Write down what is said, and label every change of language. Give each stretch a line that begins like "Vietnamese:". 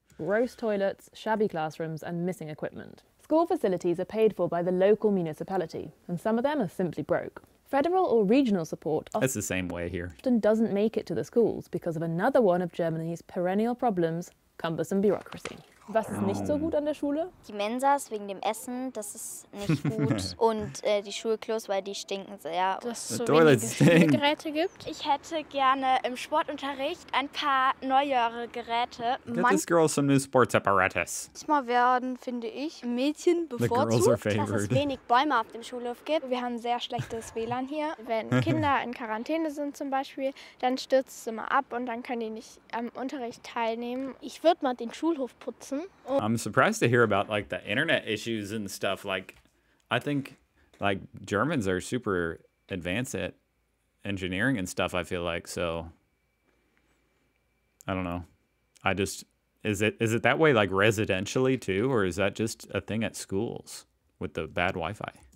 English: Gross toilets, shabby classrooms, and missing equipment. School facilities are paid for by the local municipality, and some of them are simply broke. Federal or regional support That's the same way here. Often doesn't make it to the schools because of another one of Germany's perennial problems, cumbersome bureaucracy.
German: Was ist nicht so gut an der Schule? Die Mensas wegen dem Essen, das ist nicht gut. Und die Schulklos, weil die stinken sehr. Dass es so wenige Spielgeräte gibt. Ich hätte gerne im Sportunterricht ein paar neuere Geräte.
English: Get this girl some new sports apparatus.
German: Manchmal werden, finde ich, Mädchen bevorzugt, dass es wenig Bäume auf dem Schulhof gibt. Wir haben sehr schlechtes WLAN hier. Wenn Kinder in Quarantäne sind zum Beispiel, dann stürzt es immer ab und dann können die nicht am Unterricht teilnehmen. Ich würde mal den Schulhof putzen.
English: I'm surprised to hear about like the internet issues and stuff. Like, I think like Germans are super advanced at engineering and stuff, I feel like. So I don't know. Is it that way like residentially too, or is that just a thing at schools with the bad Wi-Fi?